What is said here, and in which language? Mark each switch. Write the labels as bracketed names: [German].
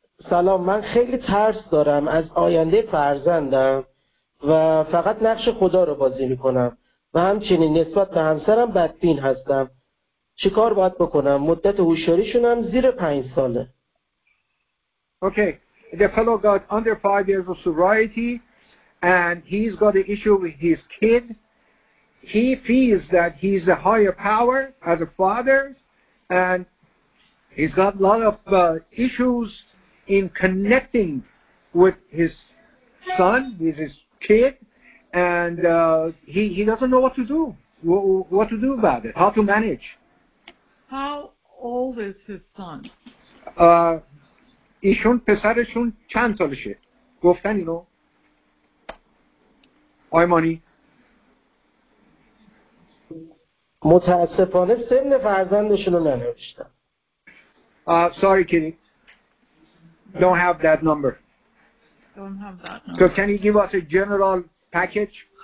[Persian] سلام، من خیلی ترس دارم از آینده فرزندم و فقط نقش خدا رو بازی میکنم و همچنین نسبت به همسرم بدبین هستم. چی کار باید بکنم؟ مدت هوشیاریشون هم زیر 5 ساله. [English] Okay. The fellow got under 5 years of sobriety and he's got an issue with his kid. He feels that he's a higher power as a father and he's got a lot of issues in connecting with his son, with his kid, and he doesn't know what to do. What to do about it? How to manage? How old is his son? [Persian] ایشون پسرشون چند سالشه؟ گفتن اینو؟ آی مانی؟ متاسفانه سن فرزندشون رو ننوشتم. [English] Sorry, Kitty. Don't have that number. Don't have that number. So can you give us a general package?